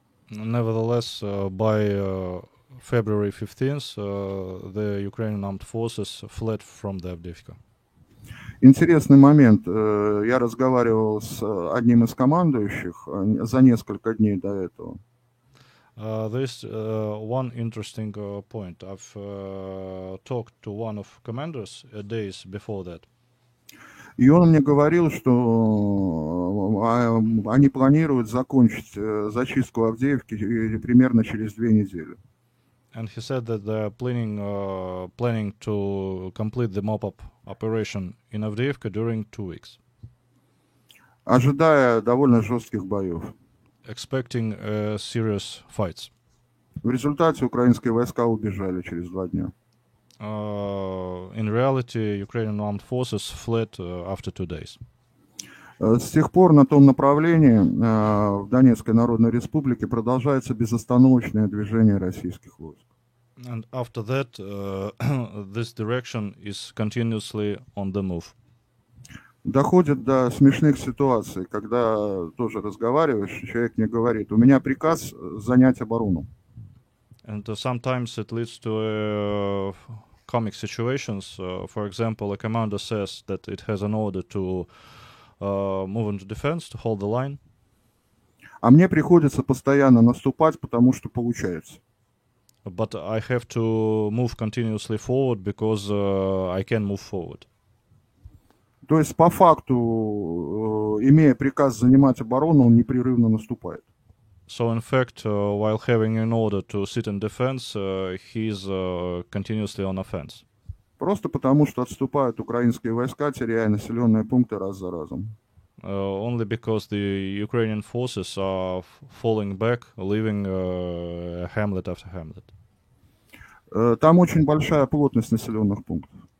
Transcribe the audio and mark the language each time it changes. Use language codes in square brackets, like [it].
[en] Nevertheless, by February 15th, the Ukrainian armed forces fled from the Avdiivka. [ru] Интересный момент. Я разговаривал с одним из командующих за несколько дней до этого. [en] There's one interesting point. I've talked to one of commanders days before that. [ru] И он мне говорил, что они планируют закончить зачистку Авдеевки примерно через две недели. [en] And he said that they're planning to complete the mop-up operation in Avdiivka during 2 weeks. [ru] Ожидая довольно жестких боев. [en] Expecting serious fights. [ru] В результате украинские войска убежали через два дня. [en] In reality, Ukrainian armed forces fled after 2 days. [ru] С тех пор на том направлении в Донецкой Народной Республике продолжается безостановочное движение российских войск. [en] And after that, this direction is continuously on the move. [ru] Доходит до смешных ситуаций, когда тоже разговариваешь, человек мне говорит: у меня приказ занять оборону. [en] And sometimes it leads to comic situations. For example, a commander says that it has an order to move into defense, to hold the line. [ru] А мне приходится постоянно наступать, потому что получается. [en] But I have to move continuously forward because I can move forward. [ru] То есть по факту, имея приказ занимать оборону, он непрерывно наступает. [en] So in fact, while having an order to sit in defense, he's continuously on offense. [ru] Просто потому, что отступают украинские войска, теряя населенные пункты раз за разом. [en] Only because the Ukrainian forces are falling back, leaving hamlet after hamlet. [ru] Там очень большая плотность населенных пунктов.